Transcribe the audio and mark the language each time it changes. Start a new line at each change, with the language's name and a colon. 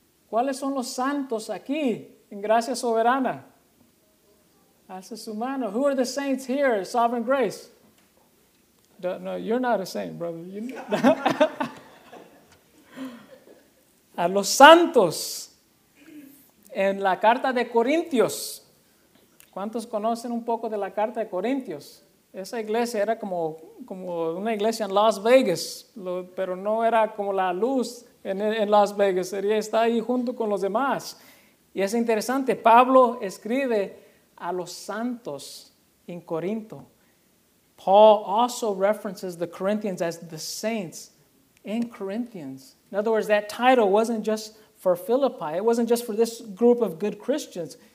Spanish: ¿Cuáles son los santos aquí en Gracia Soberana? Alza su mano.
English: Who are the saints here in Sovereign Grace? No, you're not a saint, brother.
Spanish: A los santos. En la carta de Corintios. ¿Cuántos conocen un poco de la carta de Corintios? Esa iglesia era como una iglesia en Las Vegas, pero no era como la luz en Las Vegas. Está ahí junto con los demás. Y es interesante, Pablo escribe a los santos en Corinto.
English: Paul also references the Corinthians as the saints in Corinthians. In other words, that title wasn't just for Philippi. It wasn't just for this group of good Christians.